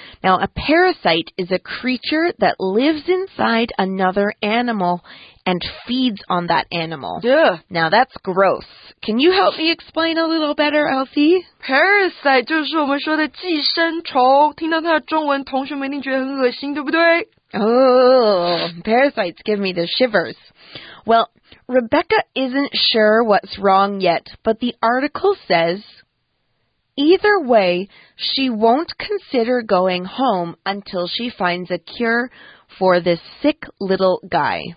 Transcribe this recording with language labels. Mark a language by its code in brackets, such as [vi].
[en] Now, a parasite is a creature that lives inside another animal and feeds on that animal. Duh. Now, that's gross. Can you help me explain a little better, Elsie? [zh] Parasite 就是我们说的寄生虫。听到它的中文，同学们一定觉得很恶心，对不对？ [en] Oh, parasites give me the shivers. Well, Rebecca isn't sure what's wrong yet, but the article says... Either way, she won't consider going home until she finds a cure for this sick little guy.